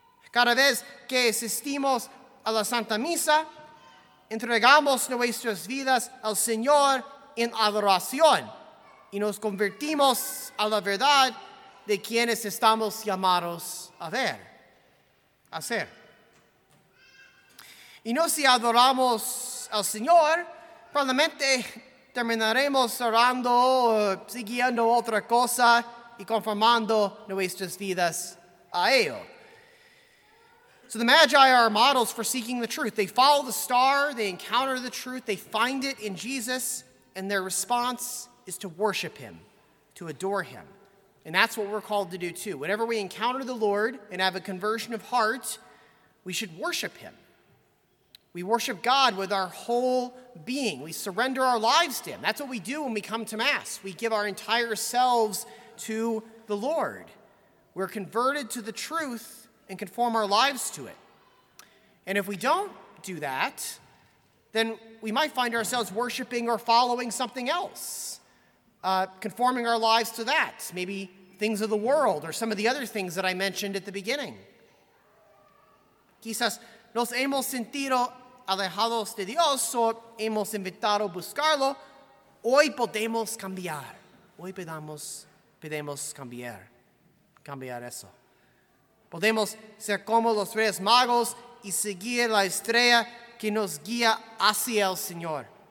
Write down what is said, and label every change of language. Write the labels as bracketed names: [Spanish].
[Spanish] Cada vez que asistimos a la Santa Misa, entregamos nuestras vidas al Señor en adoración y nos convertimos a la verdad de quienes estamos llamados a ver, a ser. Y no si adoramos al Señor, probablemente terminaremos orando o siguiendo otra cosa y conformando nuestras vidas a ello. [English] So the Magi are models for seeking the truth. They follow the star, they encounter the truth, they find it in Jesus, and their response is to worship him, to adore him. And that's what we're called to do too. Whenever we encounter the Lord and have a conversion of heart, we should worship him. We worship God with our whole being. We surrender our lives to him. That's what we do when we come to Mass. We give our entire selves to the Lord. We're converted to the truth and conform our lives to it. And if we don't do that, then we might find ourselves worshiping or following something else, conforming our lives to that, maybe things of the world or some of the other things that I mentioned at the beginning. [Spanish] Quizás nos hemos sentido alejados de Dios o hemos invitado a buscarlo. Hoy podemos cambiar. Hoy podemos cambiar eso. Podemos ser como los Reyes Magos y seguir la estrella que nos guía hacia el Señor.